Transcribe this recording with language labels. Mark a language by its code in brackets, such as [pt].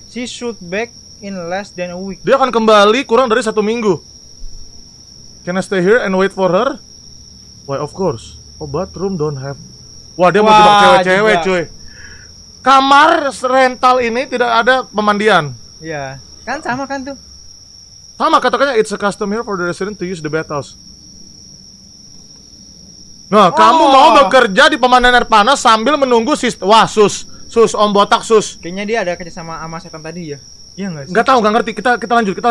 [en] She should back in less than a week. [id] Dia akan kembali kurang dari 1 minggu. [en] Can I stay here and wait for her? Why, of course. Oh, bathroom don't have. [id] Wah, dia mau jebak cewek-cewek, juga. Cuy. Kamar rental ini tidak ada pemandian. Iya, kan sama kan tuh. Sama, katakannya [en] it's a custom here for the resident to use the bathhouse. [id] Nah, kamu mau bekerja di pemandian air panas sambil menunggu sus, om botak sus. Kayaknya dia ada kerja sama setan tadi ya. Iya enggak sih? Enggak tahu, enggak ngerti. Kita lanjut.